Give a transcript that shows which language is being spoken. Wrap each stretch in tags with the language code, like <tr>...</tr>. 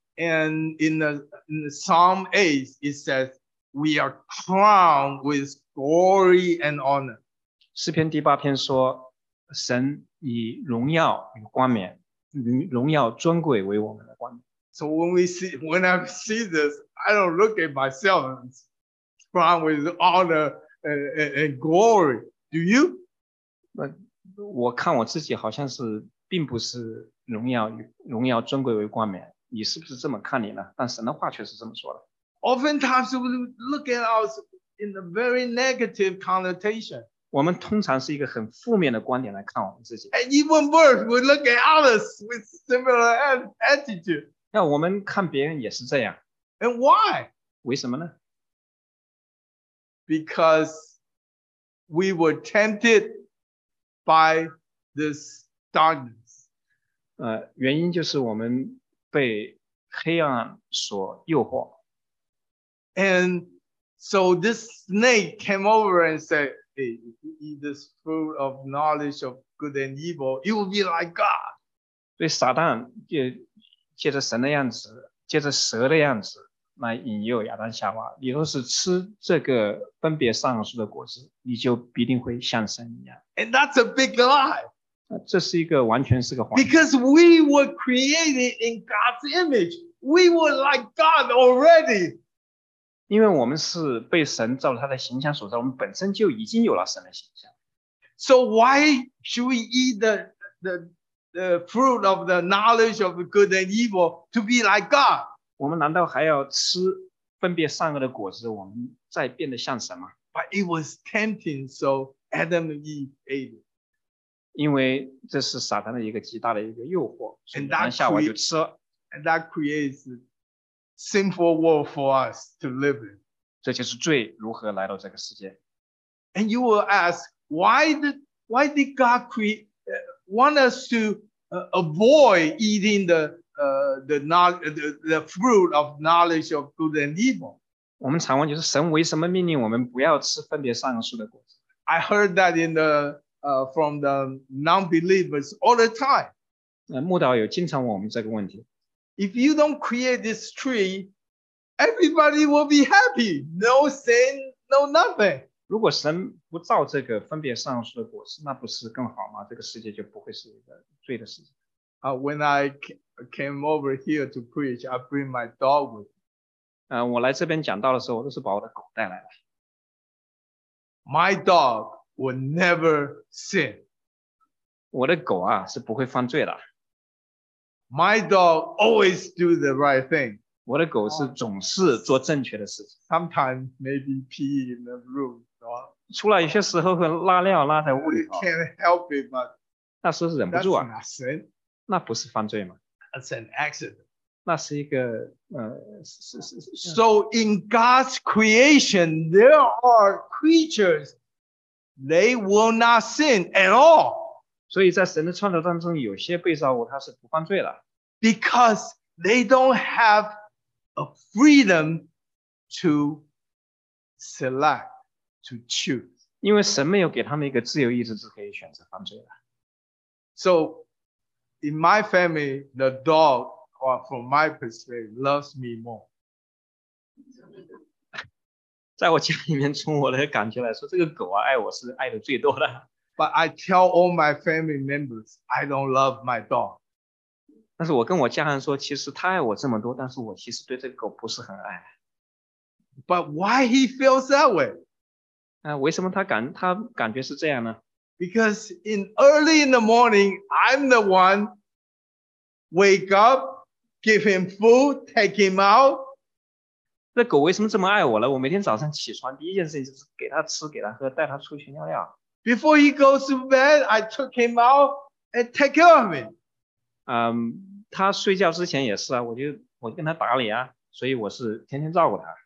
<en>And in the Psalm 8, it says we are crowned with glory and honor.</en> <zh>诗篇第八篇说，神以荣耀与冠冕，与荣耀尊贵为我们的冠冕。</zh> <en>So when I see this, I don't look at myself crowned with honor and glory. Do you?</en> <zh>我看我自己好像是并不是荣耀尊贵为冠冕，你是不是这么看你呢？但神的话却是这么说的。</zh> <en>Oftentimes we look at us in a very negative connotation.</en> <zh>我们通常是一个很负面的观点来看我们自己。</zh> <en>And even worse, we look at others with similar attitude.</en> <zh>那我们看别人也是这样。</zh> <en>And why?</en> <zh>为什么呢？</zh> <en>Because... We were tempted by this darkness.</en> <zh>原因就是我们被黑暗所诱惑。</zh> <en>And so this snake came over and said, hey, if you eat this fruit of knowledge of good and evil, you will be like God.</en> <zh>所以撒旦就借着神的样子，借着蛇的样子。来引诱亚当夏娃，你若是吃这个分别善恶树的果子，你就必定会像神一样。</zh> <en>And that's a big lie.</en> <zh>这是一个完全是个谎言。</zh> <en>Because we were created in God's image. We were like God already.</en> <zh>因为我们是被神照着他的形象所造，我们本身就已经有了神的形象。</zh> <en>So why should we eat the fruit of the knowledge of good and evil to be like God?</en> <zh>我们难道还要吃分别善恶的果子，我们再变得像什么？</zh> <en>But it was tempting, so Adam and Eve ate it.</en> <zh>因为这是撒旦的一个极大的一个诱惑，所以亚当夏娃就吃了。</zh> <en>And that creates a sinful world for us to live in.</en> <zh>这就是罪如何来到这个世界。</zh> <en>And you will ask, why did God want us to avoid eating the fruit of knowledge of good and evil.</en> <zh>我们常问就是神为什么命令我们不要吃分别善恶树的果子？</zh> <en>I heard that in the from the non-believers all the time.</en> <zh>牧道友经常问我们这个问题。</zh> <en>If you don't create this tree, everybody will be happy. No sin, no nothing.</en> <zh>如果神不造这个分别善恶树的果子，那不是更好吗？这个世界就不会是一个罪的世界。</zh> <en>When I came over here to preach, I bring my dog with me.</en> <zh>我来这边讲道的时候，我都是把我的狗带来了。</zh> <en>My dog will never sin.</en> <zh>我的狗啊，是不会犯罪的。</zh> <en>My dog always do the right thing.</en> <zh>我的狗是总是做正确的事情。</zh> <en>Sometimes maybe pee in the room.</en> <zh>出来有些时候会拉尿拉在屋里。</zh> <en>Can't help it, but</en> <zh>那是忍不住啊。</zh> <en>That's not sin.</en> <zh>那不是犯罪吗？</zh> <en>That's an accident.</en> <zh>那是一个</zh> <en>So in God's creation, there are creatures they will not sin at all.</en> <zh>所以在神的创造当中，有些被造物它是不犯罪的。</zh> <en>Because they don't have a freedom to select, to choose.</en> <zh>因为神没有给他们一个自由意志是可以选择犯罪的。</zh> <en>So, in my family, the dog, or from my perspective, loves me more.</en> <zh>在我家里面，从我的感觉来说，这个狗啊，爱我是爱的最多的。</zh> <en>But I tell all my family members, I don't love my dog.</en> <zh>但是我跟我家人说，其实他爱我这么多，但是我其实对这个狗不是很爱。</zh> <en>But why he feels that way?</en> <zh>为什么他感觉是这样呢？</zh> <en>Because in early in the morning, I'm the one wake up, give him food, take him out.</en> <zh>这狗为什么这么爱我呢？我每天早上起床，第一件事情就是给他吃，给他喝，带他出去尿尿。</zh> <en>Before he goes to bed, I took him out and take care of him.</en> <zh>他睡觉之前也是啊，我就跟他打理啊，所以我是天天照顾他。</zh>